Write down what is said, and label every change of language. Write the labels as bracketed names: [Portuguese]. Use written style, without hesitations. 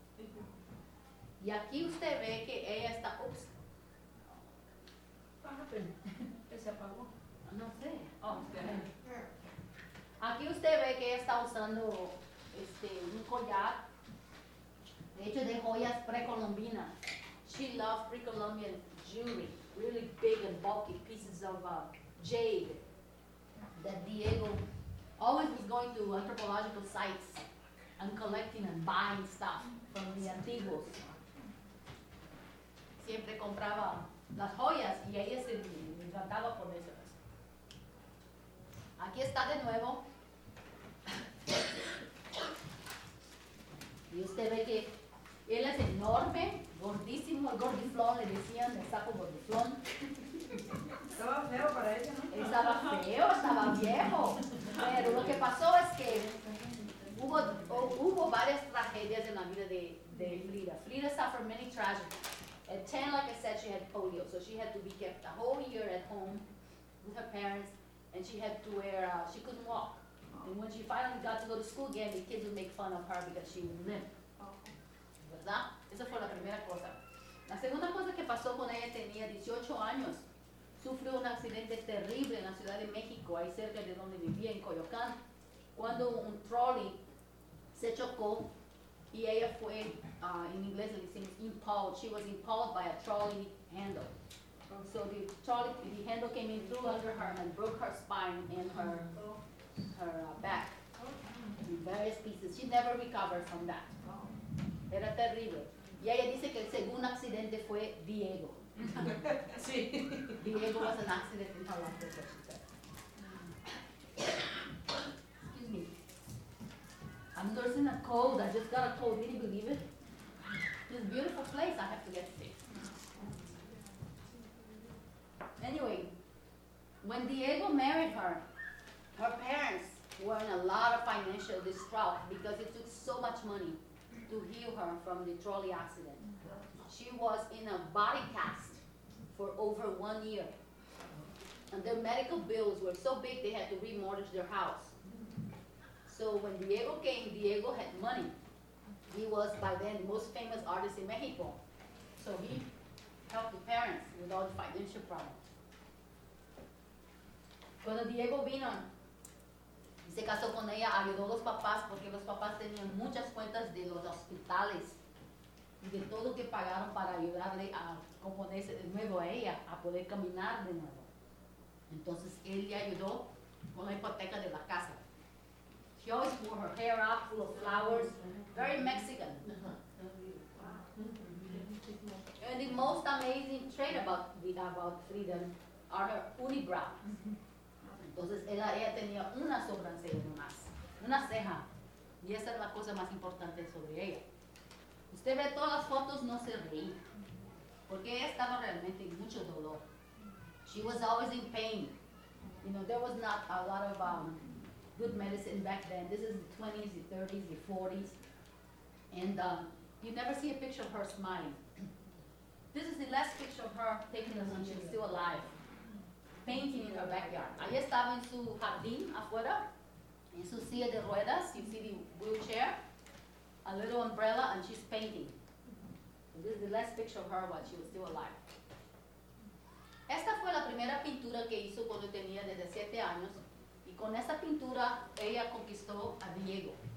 [Spanish] Mm-hmm. Y aquí usted ve que ella está, ups. Bájate, que se apagó. No sé. Oh, aquí usted ve que ella está usando un collar, de hecho de joyas precolombinas. [English] She loves pre-Columbian jewelry, really big and bulky pieces of jade that Diego always was going to anthropological sites and collecting and buying stuff from the antiguos. [Spanish] Siempre compraba las joyas y ella se encantaba con eso. Aquí está de nuevo. Y usted ve que él es enorme, gordísimo, el gordiflón, le decían, el sapo gordiflón. Estaba feo para ella, ¿no? Estaba feo, estaba viejo. Pero lo que pasó es que hubo varias tragedias en la vida de Frida. [English] Frida suffered many tragedies. At 10, like I said, she had polio. So she had to be kept a whole year at home with her parents. And she had to wear, she couldn't walk. Oh. And when she finally got to go to school again, the kids would make fun of her because she was limp. [Spanish] Oh. ¿Verdad? Esa fue la primera cosa. La segunda cosa que pasó con ella, tenía 18 años. Sufrió un accidente terrible en la Ciudad de México, ahí cerca de donde vivía, en Coyoacán, cuando un trolley se chocó y ella fue, en inglés le dicen impaled. [English] She was impaled by a trolley handle. So the handle came in through under her and broke her spine and her back in various pieces. She never recovered from that. Oh. [Spanish] Era terrible. Y ella dice que el segundo accidente fue Diego. Sí. [English] Diego was an accident in her life, that's what she said. Excuse me. I'm nursing a cold. I just got a cold. Can you believe it? This beautiful place, I have to get sick. Anyway, when Diego married her, her parents were in a lot of financial distraught because it took so much money to heal her from the trolley accident. She was in a body cast for over 1 year. And their medical bills were so big they had to remortgage their house. So when Diego came, Diego had money. He was by then the most famous artist in Mexico. So he helped the parents with all the financial problems. [Spanish] Cuando Diego vino, se casó con ella, ayudó a los papás porque los papás tenían muchas cuentas de los hospitales y de todo lo que pagaron para ayudarle a componerse de nuevo a ella, a poder caminar de nuevo. Entonces, él le ayudó con la hipoteca de la casa. [English] She always wore her hair up full of flowers, very Mexican. And the most amazing trait about Frida are her unibrows. [Spanish] Entonces ella tenía una sobrancella nomás, una ceja. Y esa es la cosa más importante sobre ella. Usted ve todas las fotos, no se ríe. Porque ella estaba realmente en mucho dolor. [English] She was always in pain. You know, there was not a lot of good medicine back then. This is the 20s, the 30s, the 40s. And you never see a picture of her smiling. This is the last picture of her taking us when she's still alive. Painting in her backyard. [Spanish] Ahí estaba en su jardín afuera, en su silla de ruedas, [English] you see the wheelchair, a little umbrella, and she's painting. And this is the last picture of her while she was still alive. [Spanish] Esta fue la primera pintura que hizo cuando tenía desde 7 años, y con esta pintura ella conquistó a Diego.